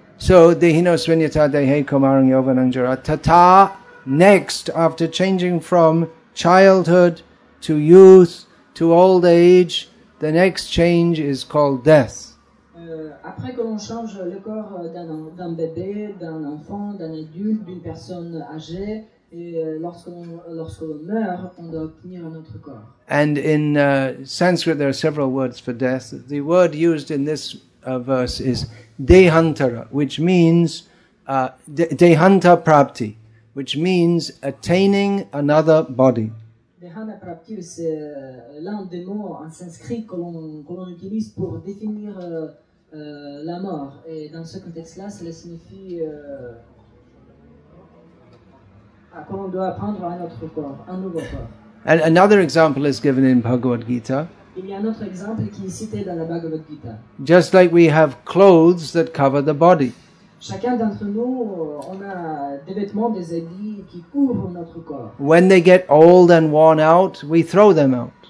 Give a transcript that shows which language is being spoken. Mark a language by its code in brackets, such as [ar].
[en] So, [sa] dehino svinyata dehe komarang yovananjara tata, [en] next, after changing from childhood to youth to old age, the next change is called death. [fr] Après que l'on change le corps d'un bébé, d'un enfant, d'un adulte, d'une personne âgée, et lorsqu'on meurt, on doit obtenir un autre corps. [en] And in Sanskrit, there are several words for death. The word used in this verse is dehantara, which means dehanta prapti, which means attaining another body. [fr] Dehanta prapti, c'est l'un des mots en sanskrit que l'on utilise pour définir la mort, et dans ce contexte-là, cela signifie qu'on doit prendre un autre corps, un nouveau corps. [en] And another example is given in Bhagavad Gita. [fr] Il y a un autre exemple qui est cité dans la Bhagavad Gita. [en] Just like we have clothes that cover the body. [fr] Chacun d'entre nous, on a des vêtements, des habits qui couvrent notre corps. [en] When they get old and worn out, we throw them out.